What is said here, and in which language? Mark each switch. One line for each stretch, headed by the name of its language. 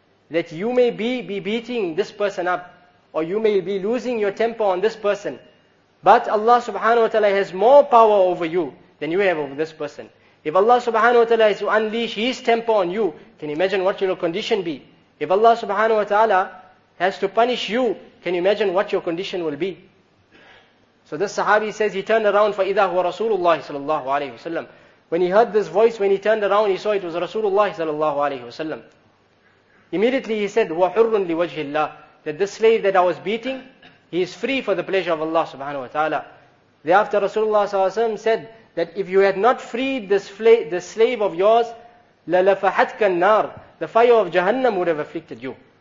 English: That you may be beating this person up, or you may be losing your temper on this person, but Allah subhanahu wa ta'ala has more power over you than you have over this person. If Allah subhanahu wa ta'ala has to unleash His temper on you, can you imagine what your condition be? If Allah subhanahu wa ta'ala has to punish you, can you imagine what your condition will be? So this sahabi says, he turned around,
Arabic: فَإِذَا هُوَ رَسُولُ اللَّهِ صَلَى اللَّهُ عَلَيْهِ وَسَلَّمُ.
English: When he heard this voice, when he turned around, he saw it was Rasulullah صلى الله عليه وسلم. Immediately he said,
Arabic: وَحُرٌّ لِوَجْهِ اللَّهِ,
English: that the slave that I was beating, he is free for the pleasure of Allah subhanahu wa ta'ala. Thereafter Rasulullah صلى الله عليه وسلم said, that if you had not freed the slave of yours,
Arabic: لَلَفَحَتْكَ النَّارِ,
English: the fire of Jahannam would have afflicted you.